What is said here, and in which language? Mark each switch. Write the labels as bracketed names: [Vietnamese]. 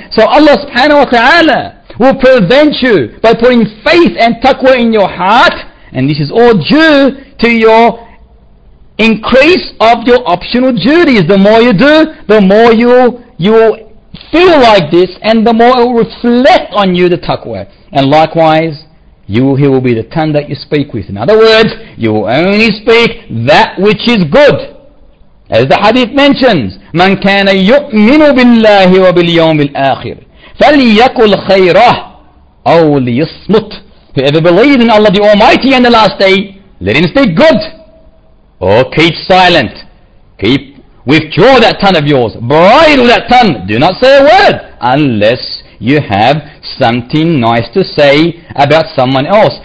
[English] So Allah subhanahu wa ta'ala will prevent you by putting faith and taqwa in your heart, and this is all due to your increase of your optional duties. The more you do, the more you'll feel like this, and the more it will reflect on you the taqwa. And likewise, He will be the tongue that you speak with. In other words, you will only speak that which is good. As the hadith mentions, [Arabic] مَنْ كَانَ يُؤْمِنُ بِاللَّهِ وَبِالْيَوْمِ الْآخِرِ فَلْيَكُلْ خَيْرَهُ أَوْ لِيَصْمُتْ. [English] Whoever believes in Allah the Almighty and the Last Day, let him speak good. Oh, keep silent. Keep, withdraw that tongue of yours. Bridle that tongue. Do not say a word unless you have something nice to say about someone else.